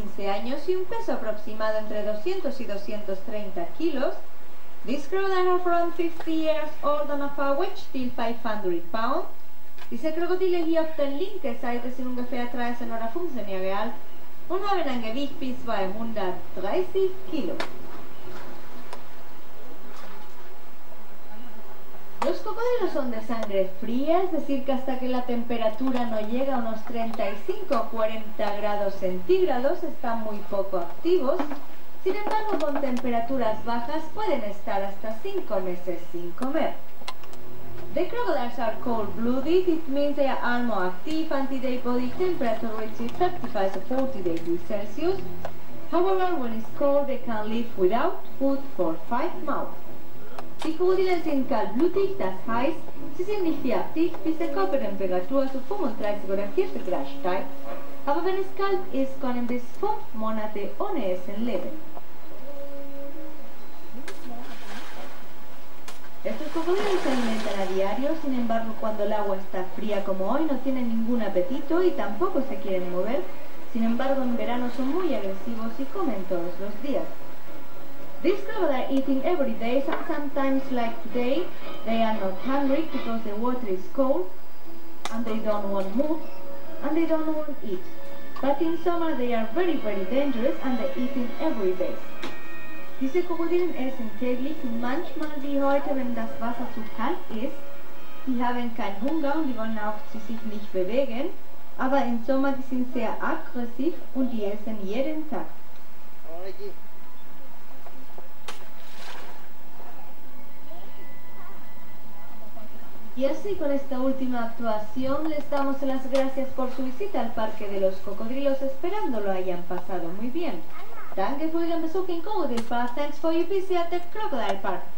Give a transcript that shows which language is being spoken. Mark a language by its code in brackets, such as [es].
[es] Años y un peso aproximado entre 200 y 230 kilos. [en] These crocodiles are from 50 years old and of a weight till 500 pounds. Dice crocodiles y often link sites [de] in ungefähr 13 oder 15 Jahre alt und haben ein Gewicht bis 230 kilo. [es] Los cocodrilos son de sangre fría, es decir, que hasta que la temperatura no llega a unos 35 o 40 grados centígrados están muy poco activos. Sin embargo, con temperaturas bajas pueden estar hasta 5 meses sin comer. [en] The crocodiles are cold-blooded, it means they are more active until their body temperature reaches 35 to 40 degrees Celsius. However, when it's cold, they can live without food for 5 months. [de] Die Krokodile sind kaltblütig, das heißt, sie sind nicht sehr aktiv, bis die Körpertemperatur zu 35 oder 40 Grad steigt. Aber wenn es kalt ist, können bis 5 Monate ohne Essen leben. [es] Estos cocodrilos se alimentan a diario, sin embargo, cuando el agua está fría como hoy, no tienen ningún apetito y tampoco se quieren mover. Sin embargo, en verano son muy agresivos y comen todos los días. [en] These crocodiles are eating every day, so sometimes like today, they are not hungry because the water is cold and they don't want to move and they don't want to eat. But in summer they are very, very dangerous and they're eating every day. [de] Diese Krokodilen essen täglich und manchmal wie heute, wenn das Wasser zu kalt ist, die haben keinen Hunger und die wollen auch sie sich nicht bewegen, aber im Sommer die sind sehr aggressiv und die essen jeden Tag. [es] Y así, con esta última actuación, les damos las gracias por su visita al Parque de los Cocodrilos, esperando lo hayan pasado muy bien. [de] Danke für Ihren Besuch in Cocodril Park. [en] Thanks for your visit at the Crocodile Park.